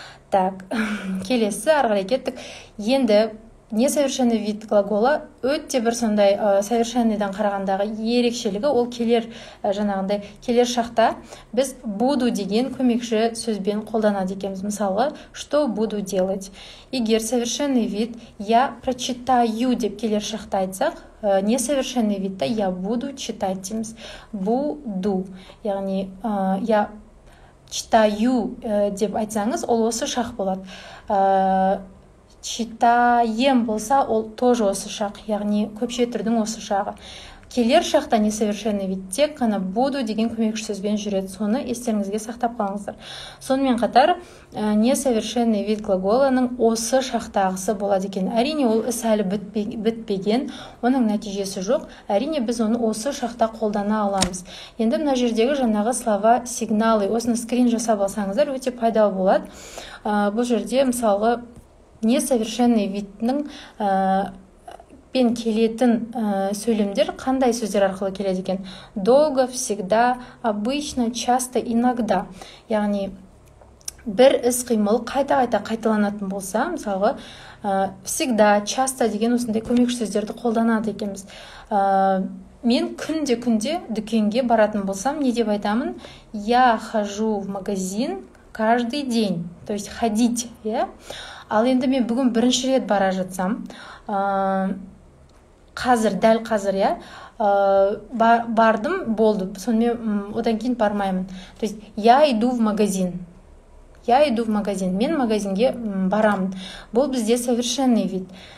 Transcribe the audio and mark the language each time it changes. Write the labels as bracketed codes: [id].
[kk] Так, келесі, ары қарай кеттік. Енді несовершенный вид глагола өте бір сондай совершенныйдан қарағандағы ерекшелігі ол келер жаңағындай келер шақта біз буду деген көмекші сөзбен қолданады екенбіз. [ru] Мысалы, что буду делать. [kk] Егер совершенный вид я прочитаю деп келер шақта айтсақ, несовершенный видта я буду читать дейміз. Буду, яғни я читаю деп айтсаңыз, ол осы шақ болады. Читаем болса, ол тоже осы шақ, яғни көпше түрдің осы шағы. Келер шақта несовершенный вид тек қана буду деген көмекші сөзбен жүреді. Соны естеріңізге сақтап қалыңыздар. Сонымен қатар, несовершенный вид глаголының осы шақтағысы болады екен. Әрине, ол іс әлі бітпеген, оның нәтижесі жоқ. Әрине, біз оны осы шақта қолдана аламыз. Енді мына жердегі жаңағы слова сигналы. Осыны скрин жасап алсаңыздар, өте пайдалы болады. Бұл жерде, мысалы, несовершенный видтің пен келетін сөйлемдер қандай сөздер арқылы келеді екен? [ru] Долго, всегда, обычно, часто, иногда. [kk] Яғни, бір іс-қимыл қайта-қайта қайталанатын болса, мысалы, всегда, часто деген осындай көмекші сөздерді қолданады екеміз. Мен күнде-күнде дүкенге баратын болсам, не деп айтамын? [ru] Я хожу в магазин каждый день. То есть, ходить. [kk] Ал енді мен бүгін бірінші рет бара жатсам, қазір, дәл қазір, я, бардым, болды, сонымен одан кейін бармаймын. [ru] То есть, я иду в магазин. Я иду в магазин. [kk] Мен магазинге барамын. Бұл бізде совершенный вид.